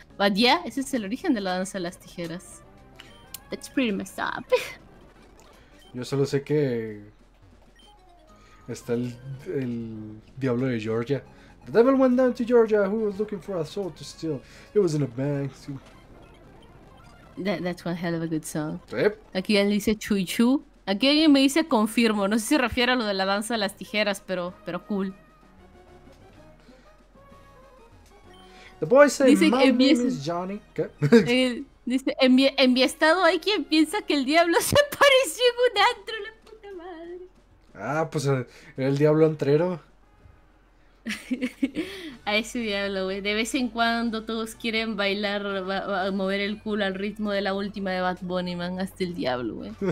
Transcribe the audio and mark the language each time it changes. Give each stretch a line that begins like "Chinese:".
English: But yeah,
Spanish: ese es el origen de la danza de las tijeras.
English: That's pretty messed up.
Spanish: Yo solo sé que... está el diablo de Georgia.
English: The devil went down to Georgia. Who was looking for a soul to steal? It was in a bank. That's one hell of a good song.
Spanish: ¿Sí? Aquí él dice chui chui. Aquí alguien me dice confirmo, no sé si se refiere a lo de la danza de las tijeras, pero cool.
English: The boy said,
Spanish: dice,
English: my name is Johnny.
Spanish: ¿Qué? Dice, en mi estado hay quien piensa que el diablo se apareció en un antro, la puta madre. Ah, pues el diablo antrero. A ese diablo, güey. De vez en cuando todos quieren bailar, mover el culo al ritmo de la última de Bad Bunny, man. Hasta el diablo, güey.